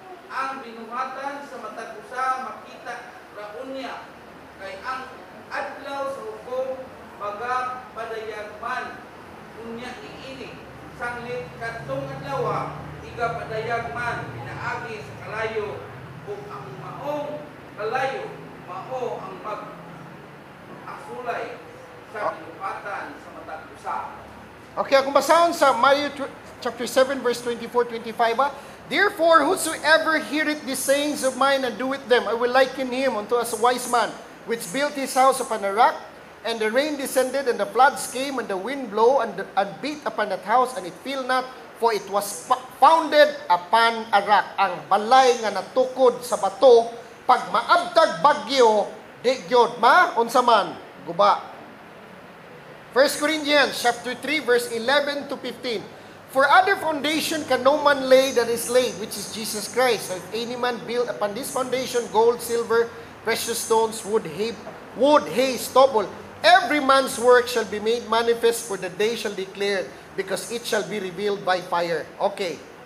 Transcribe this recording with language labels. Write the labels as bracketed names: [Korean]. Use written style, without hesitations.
[Cebuano] Ang binuhatan sa matag usa makita raon niya kay ang adlaw sa hukom baga padayagman unya iini sanglit katong adlaw iga padayagman pinaagi sa kalayo ug ang maong kalayo mao ang mag asulay sa binuhatan sa matag usa. Okay, akong basahon sa Matthew chapter 7 verse 24-25 ba? [English] Therefore, whosoever heareth these sayings of mine and doeth them, I will liken him unto a wise man, which built his house upon a rock, and the rain descended, and the floods came, and the wind blew, and beat upon that house, and it fell not, for it was founded upon a rock. [Cebuano] Ang balay nga natukod sa bato, pag maabtag bagyo, di gyod, ma, unsa man, guba. [English] 1 Corinthians chapter 3, verse 11 to 15. For other foundation can no man lay that is laid, which is Jesus Christ. So if any man build upon this foundation, gold, silver, precious stones, wood, hay, stubble, every man's work shall be made manifest, for the day shall declare it, because it shall be revealed by fire. Okay.